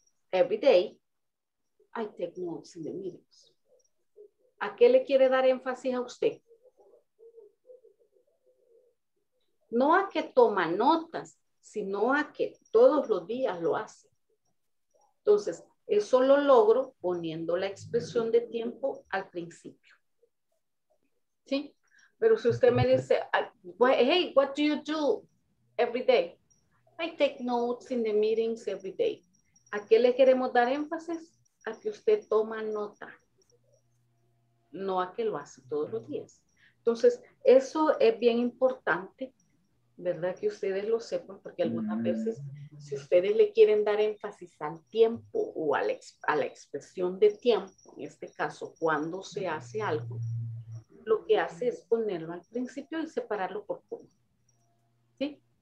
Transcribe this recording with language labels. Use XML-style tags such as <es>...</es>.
<en>Every day, I take notes in the meetings.</en> <es>¿A qué le quiere dar énfasis a usted? No a que toma notas, sino a que todos los días lo hace. Entonces, eso lo logro poniendo la expresión de tiempo al principio. ¿Sí? Pero si usted me dice,</es> <en>hey, what do you do every day? I take notes in the meetings every day.</en> <es>¿A qué le queremos dar énfasis? A que usted toma nota. No a que lo hace todos los días. Entonces, eso es bien importante, ¿verdad? Que ustedes lo sepan, porque algunas veces, si ustedes le quieren dar énfasis al tiempo o a la expresión de tiempo, en este caso, cuando se hace algo, lo que hace es ponerlo al principio y separarlo por coma. ¿Sí?</es>